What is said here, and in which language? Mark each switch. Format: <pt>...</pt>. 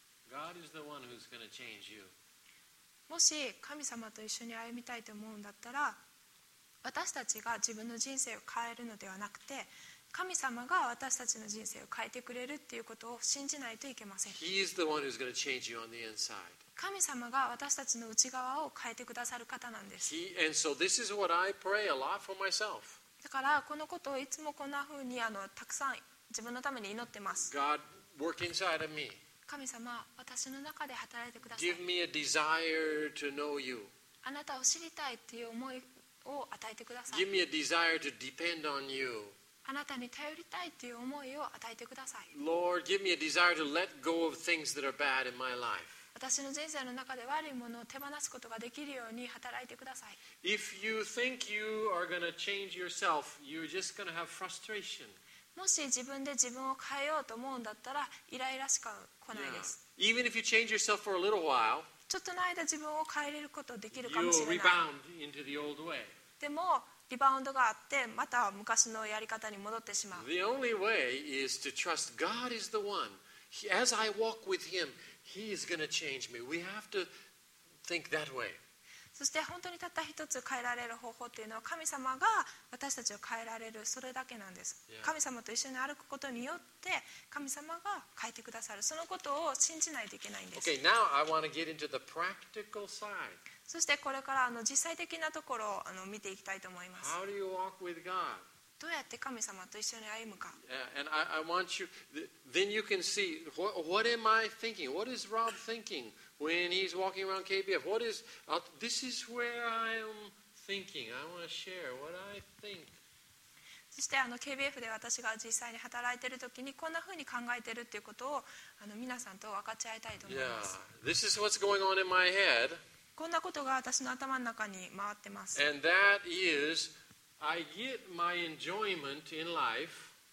<en>God is the one who's going to change you.</en> <ja>もし神様と一緒に歩みたいと思うんだったら、私たちが自分の人生を変えるのではなくて、神様が私たちの人生を変えてくれるっていうことを信じないといけません。</ja> <en>He is the one who's going to change you on the inside.</en> <ja>神様が私たちの内側を変えてくださる方なんです。</ja> <en>And so this is what I pray a lot for myself.</en> <ja>だからこのことをいつもこんな風にたくさん自分のために祈ってます。</ja> <en>God, work inside of me.</en> <ja>神様、私の中で働いてください。</ja> <en>Give me a desire to know you.</en> <ja>あなたを知りたいっていう思いを与えてください。</ja> <en>Give me a desire to depend on you.</en> <ja>あなたに頼りたいっていう思いを与えてください。</ja> <en>Lord, give me a desire to let go of things that are bad in my life.</en> <ja>私の人生の中で悪いものを手放すことができるように働いてください。</ja> <en>If you think you are going to change yourself, you're just going to have frustration.</en> <ja>もし自分で自分を変えようと思うんだったらイライラしか来ないです。</ja> <en>Yeah. Even if you change yourself for a little while,</en> <ja>ちょっとの間自分を変えれることできるかもしれない。</ja> <en>You'll rebound into the old way.</en> <ja>でもリバウンドがあってまた昔のやり方に戻ってしまう。</ja> <en>The only way is to trust God is the one. As I walk with Him, He is going to change me. We have to think that way.</en> <ja>そして本当にたった一つ変えられる方法というのは神様が私たちを変えられるそれだけなんです。神様と一緒に歩くことによって神様が変えてくださるそのことを信じないといけないんです。</ja> <en>Okay, now I want to get into the practical side.</en> <ja>そしてこれから実際的なところを見ていきたいと思います。</ja> <en>How do you walk with God?</en> <ja>どうやって神様と一緒に歩むか。</ja> <en>Yeah, and I want you, then you can see what am I thinking? What is Rob thinking? When he's walking around KBF, what is this is where I'm thinking. I want to share what I think.</en> <ja>そして KBF で私が実際に働いているときにこんな風に考えているということを皆さんと分かち合いたいと思います。</ja> <en>Yeah, this is what's going on in my head.</en> <ja>こんなことが私の頭の中に回ってます。</ja> <en>And that is, I get my enjoyment in life.</en>